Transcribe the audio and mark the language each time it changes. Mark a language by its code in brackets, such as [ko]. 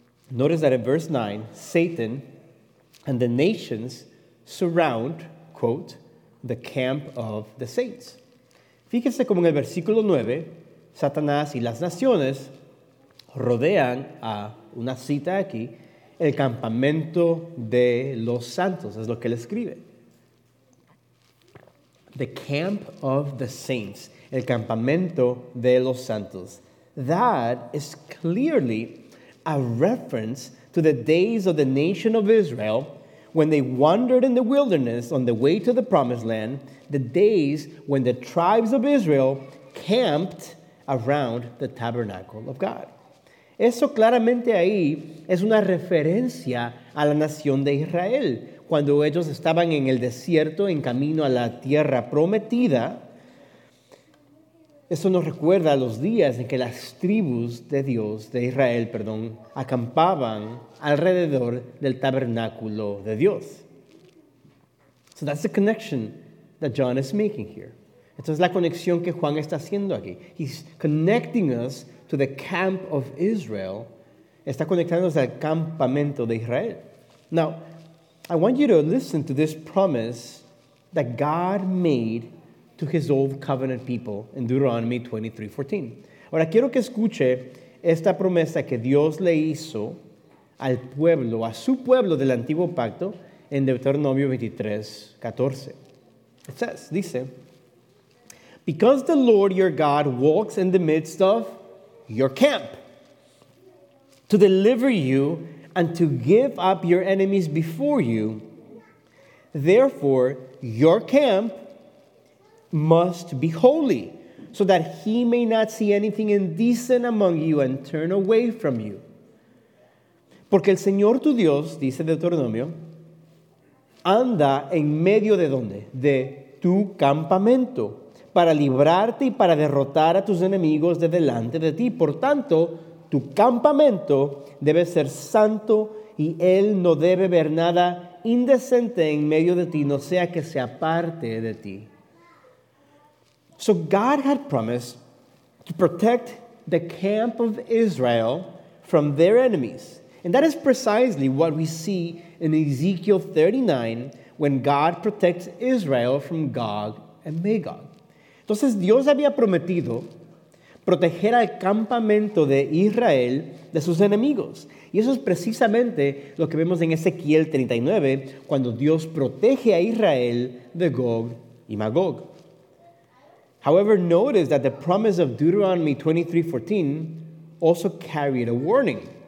[en] Notice that in verse 9, Satan and the nations surround, quote, the camp of the saints. [es] Fíjese cómo en el versículo 9, Satanás y las naciones rodean a una cita aquí, el campamento de los santos, es lo que él escribe. [en] The camp of the saints, [es] el campamento de los santos. [en] That is clearly a reference to the days of the nation of Israel when they wandered in the wilderness on the way to the promised land, the days when the tribes of Israel camped around the tabernacle of God. [es] Eso claramente ahí es una referencia a la nación de Israel, cuando ellos estaban en el desierto en camino a la tierra prometida. Eso nos recuerda a los días en que las tribus de Dios, de Israel, perdón, acampaban alrededor del tabernáculo de Dios. [en] So that's the connection that John is making here. [es] Esta es la conexión que Juan está haciendo aquí. [en] He's connecting us to the camp of Israel. [es] Está conectándonos al campamento de Israel. [en] Now, I want you to listen to this promise that God made to his old covenant people in Deuteronomy 23:14. [es] Ahora quiero que escuche esta promesa que Dios le hizo al pueblo, a su pueblo del antiguo pacto en Deuteronomio 23:14. [en] It says, [es] dice, [en] because the Lord your God walks in the midst of your camp to deliver you and to give up your enemies before you, therefore your camp must be holy, so that he may not see anything indecent among you and turn away from you. [es] Porque el Señor tu Dios, dice Deuteronomio, anda en medio de donde? De tu campamento, para librarte y para derrotar a tus enemigos de delante de ti. Por tanto, tu campamento debe ser santo y él no debe ver nada indecente en medio de ti, no sea que se aparte de ti. [en] So God had promised to protect the camp of Israel from their enemies. And that is precisely what we see in Ezekiel 39 when God protects Israel from Gog and Magog. [es] Entonces Dios había prometido proteger al campamento de Israel de sus enemigos. Y eso es precisamente lo que vemos en Ezequiel 39 cuando Dios protege a Israel de Gog y Magog. [en] However, notice that the promise of Deuteronomy 23:14 also carried a warning.